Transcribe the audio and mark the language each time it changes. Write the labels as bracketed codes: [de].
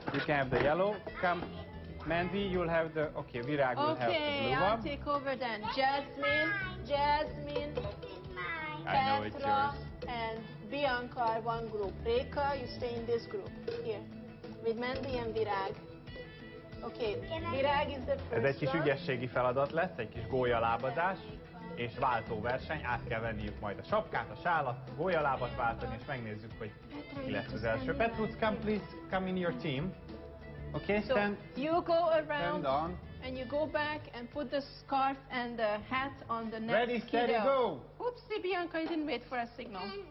[en] You can have the yellow. Come, Mandy, you'll have the... Okay, Virag will have the blue I'll one. Okay, I'll take over then. Jasmine. This is mine. I know it's yours. And Bianca are one group. Reka, you stay in this group. Here. With Mandy and Virág. Okay, Virág is the first. [hu] Ez egy kis ügyességi feladat lesz, egy kis gólyalábazás és váltóverseny. Át kell venniük majd a sapkát, a sálat, a gólyalábat váltani, és megnézzük, hogy ki lesz az első. [en] Petrus, come please, come in your team. Okay, stand. So you go around and you go back and put the scarf and the hat on the next kiddo. Ready, steady, go. Oopsie, Bianca, you didn't wait for a signal.